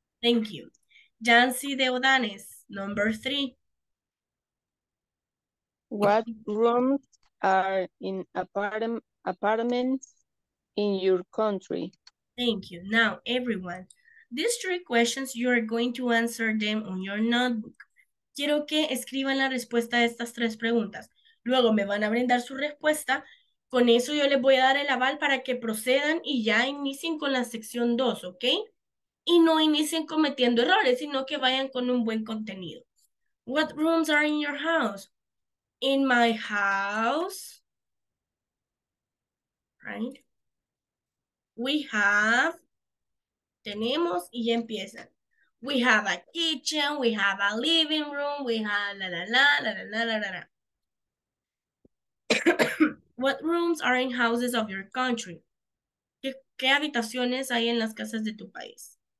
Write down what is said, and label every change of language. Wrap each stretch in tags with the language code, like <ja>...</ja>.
<en>Thank you. Jancy Deodanes, number three. What rooms are in apartments in your country? Thank you. Now, everyone. These three questions, you are going to answer them on your notebook.</en> <es>Quiero que escriban la respuesta a estas tres preguntas. Luego me van a brindar su respuesta. Con eso yo les voy a dar el aval para que procedan y ya inicien con la sección 2, ¿ok? Y no inicien cometiendo errores, sino que vayan con un buen contenido.</es> <en>What rooms are in your house? In my house, right? We have...</en> <es>Tenemos y ya empiezan.</es> <en>We have a kitchen, we have a living room, we have la la la la la la la la. What rooms are in houses of your country?</en> <es>¿Qué habitaciones hay en las casas de tu país?</es>